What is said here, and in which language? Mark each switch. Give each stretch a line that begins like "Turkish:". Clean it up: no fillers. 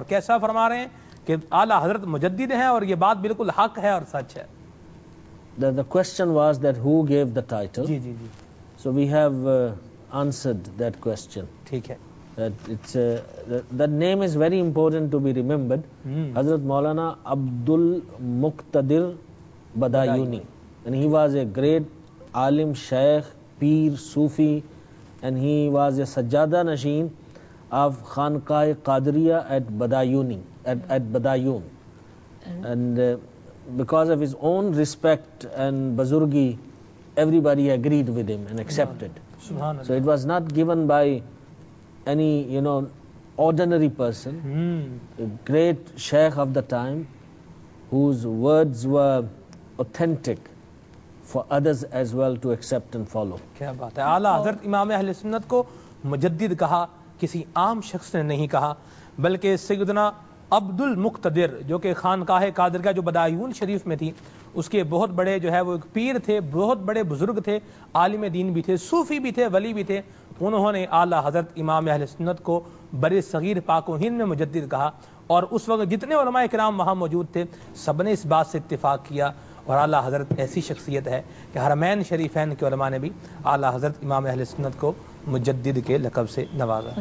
Urdu: اور کیسا فرما رہے ہیں کہ اعلی حضرت مجدد ہیں اور یہ بات بالکل حق ہے اور سچ ہے.
English: The question was that who gave the title.
Urdu: جی جی جی.
English: So we have answered that question.
Urdu: ٹھیک ہے.
English: That it's the name is very important to be remembered. Hazrat Maulana Abdul Muqtadir Badayuni, and he was a great عالم شیخ پیر صوفی, and he was a sajjada nashin of khanqah qadriya at badayuni at badayun, and because of his own respect and bazurgi, everybody agreed with him and accepted. So it was not given by any, you know, ordinary person. A great sheikh of the time, whose words were authentic for others as well to accept and follow.
Urdu: کیا بات ہے, اعلی حضرت امام اہل سنت کو مجدد کہا کسی عام شخص نے نہیں کہا, بلکہ سیدنا عبد المقتدر جو کہ خانقاہ قادریہ جو بدایون شریف میں تھی, اس کے بہت بڑے جو ہے وہ ایک پیر تھے, بہت بڑے بزرگ تھے, عالم دین بھی تھے, صوفی بھی تھے, ولی بھی تھے, انہوں نے اعلی حضرت امام اہل سنت کو بر صغیر پاک و ہند میں مجدد کہا, اور اس وقت جتنے علماء کرام وہاں موجود تھے سب نے اس بات سے اتفاق کیا, اور اعلی حضرت ایسی شخصیت ہے کہ حرمین شریفین کے علماء نے بھی اعلی حضرت امام اہل سنت کو مجدد کے لقب سے نوازا.